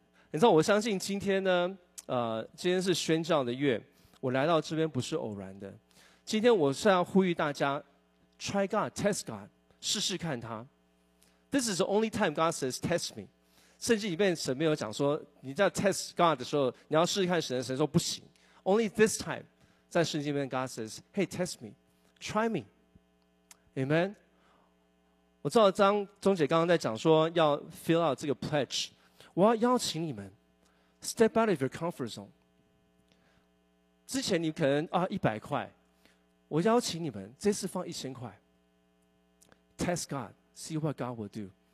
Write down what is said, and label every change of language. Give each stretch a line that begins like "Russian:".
Chinese: 你知道，我相信今天呢，今天是宣教的月，我来到这边不是偶然的。今天我是要呼吁大家 ，
English: try God, test God,
Chinese: 试试看他。
English: This is the only time God says test me。
Chinese: 圣经里面神没有讲说，你在 test God 的时候，你要试试看神。神说不行
English: ，only this time。
Chinese: 在圣经里面
English: ，God says, "Hey, test me, try me." Amen.
Chinese: 我知道张中姐刚刚在讲说要 fill out 这个 pledge， 我要邀请你们
English: step out of your comfort zone。
Chinese: 之前你可能100块，我邀请你们这次放1000块 ，
English: test God, see what God will do。